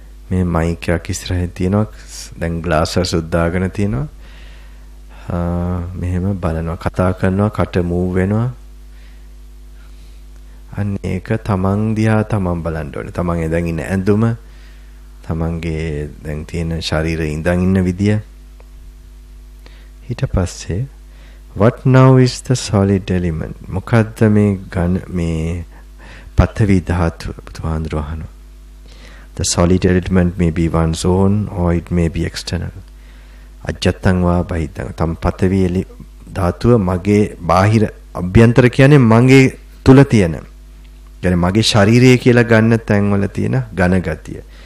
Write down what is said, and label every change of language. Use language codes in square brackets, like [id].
[si] මේ මයික් එකක් ඉස්සරහින් තියෙනවා. දැන් ග්ලාසස් උද්දාගෙන තියෙනවා. මෙහෙම බලනවා, කතා කරනවා, කට මූව් වෙනවා. අන්න ඒක තමන් දිහා තමන් බලන්න ඕනේ. තමන් ඉඳන් ඉන්න ඇඳුම, තමන්ගේ දැන් තියෙන ශරීරය ඉඳන් ඉන්න විදිය. ඊට පස්සේ [en] what now is the solid element? [si] මොකද්ද මේ ඝන මේ පතවි ධාතුව බුදුහාඳුර අහනවා. [en] The solid element may be one's own or it may be external. [pi] අජත්තං වා බහිද්දං [si] තම් පතවි එලි ධාතුව මගේ බාහිර අභ්‍යන්තර කියන්නේ මගේ තුල තියෙන [ar] يعني [si] මගේ ශාරීරිය කියලා ගන්න තැන්වල තියෙන ඝන ගතිය.